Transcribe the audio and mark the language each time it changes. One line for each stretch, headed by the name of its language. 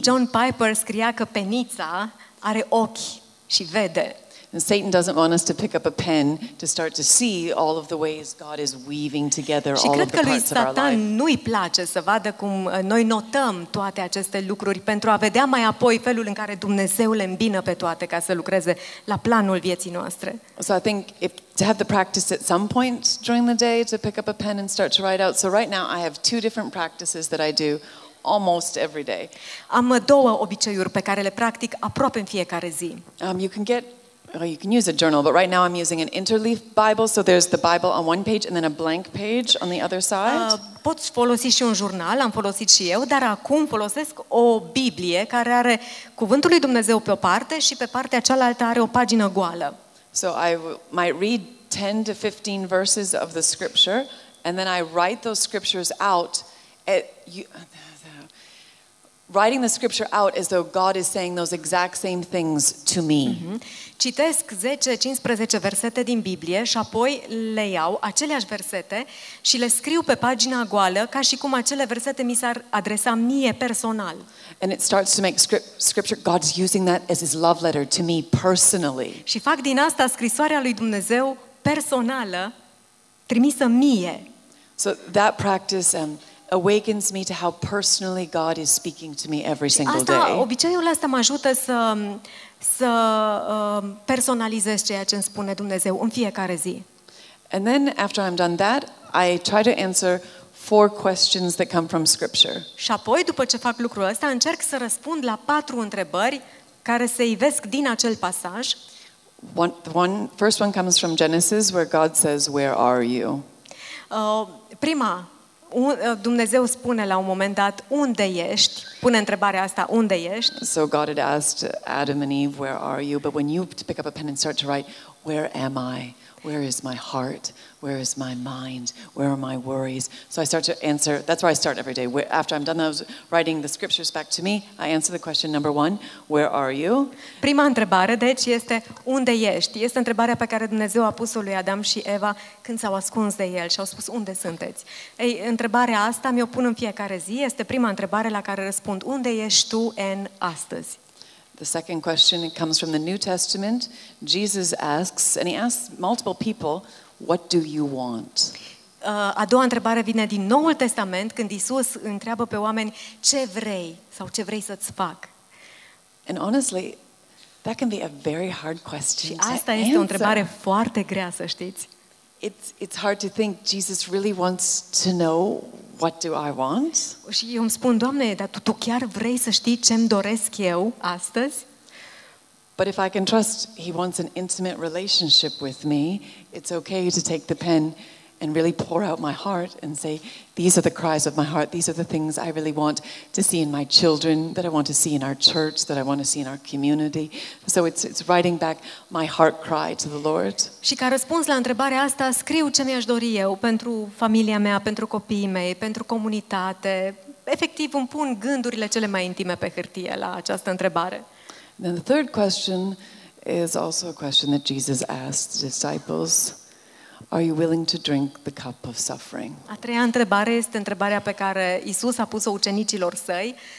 Romanian: John Piper scria că penița are ochi și vede.
English: And Satan doesn't want us to pick up a pen to start to see all of the ways God is weaving together all of the parts of our life.
Romanian: Și cred că lui Satan nu-i place să vadă cum noi notăm toate aceste lucruri pentru a vedea mai apoi felul în care Dumnezeu le îmbină pe toate ca să lucreze la planul vieții noastre.
English: So I think to have the practice at some point during the day to pick up a pen and start to write out. So right now I have two different practices that I do almost every day.
Romanian: Am două obiceiuri pe care le practic aproape în fiecare zi.
English: You can use a journal, but right now I'm using an interleaf Bible, so there's the Bible on one page and then a blank page on the other side.
Romanian: Poți folosi și un jurnal, am folosit și eu, dar acum folosesc o Biblie care are cuvântul lui Dumnezeu pe o parte și pe partea cealaltă are o pagină goală.
English: So I might read 10 to 15 verses of the scripture and then I write those scriptures out at you. Writing the scripture out as though God is saying those exact same things to me.
Romanian: Citesc 10-15 versete din Biblie și apoi le iau, aceleași versete, și le scriu pe pagina goală ca și cum acele versete mi s-ar adresa mie personal.
English: And it starts to make scripture, God's using that as his love letter to me personally.
Romanian: Și fac din asta scrisoarea lui Dumnezeu personală, trimisă mie.
English: So that practice awakens me to how personally God is speaking to me every single day.
Romanian: Obiceiul ăsta mă ajută să personalizez ceea ce îmi spune Dumnezeu în fiecare zi.
English: And then after I'm done that, I try to answer 4 questions that come from scripture.
Romanian: Și apoi după ce fac lucrul ăsta, încerc să răspund la 4 întrebări care se ivesc din acel pasaj.
English: First one comes from Genesis where God says, "Where are you?"
Romanian: Prima Dumnezeu spune la un moment dat, unde ești? Pune întrebarea asta, unde ești?
English: So God had asked Adam and Eve, where are you? But when you pick up a pen and start to write, where am I? Where is my heart? Where is my mind? Where are my worries? So I start to answer, that's where I start every day. After I'm done those writing the scriptures back to me, I answer the question number one, where are you?
Romanian: Prima întrebare, deci, este unde ești? Este întrebarea pe care Dumnezeu a pus-o lui Adam și Eva când s-au ascuns de el și au spus, unde sunteți? Ei, întrebarea asta mi-o pun în fiecare zi, este prima întrebare la care răspund, unde ești tu în astăzi?
English: The second question comes from the New Testament. Jesus asks, and he asks multiple people, what do you want?
Romanian: A doua întrebare vine din Noul Testament, când Iisus întreabă pe oameni, ce vrei sau ce vrei să-ți fac?
English: And honestly, that can be a very hard question to answer.
Romanian: Și asta este o întrebare foarte grea, să știți.
English: It's hard to think Jesus really wants to know what do I want?
Romanian: Și eu îmi spun, Doamne, dar tu chiar vrei să știi ce-mi doresc eu astăzi?
English: But if I can trust he wants an intimate relationship with me, it's okay to take the pen and really pour out my heart and say, these are the cries of my heart, these are the things I really want to see in my children, that I want to see in our church, that I want to see in our community. So it's writing back my heart cry to the Lord.
Romanian: Și ca răspuns la întrebarea asta, scriu ce mi-aș dori eu pentru familia mea, pentru copiii mei, pentru comunitate. Efectiv, îmi pun gândurile cele mai intime pe hârtie la această întrebare.
English: Then the third question is also a question that Jesus asked the disciples. Are you willing to drink the cup of suffering?
Romanian: A treia întrebare este întrebarea pe care Iisus a pus-o ucenicilor săi.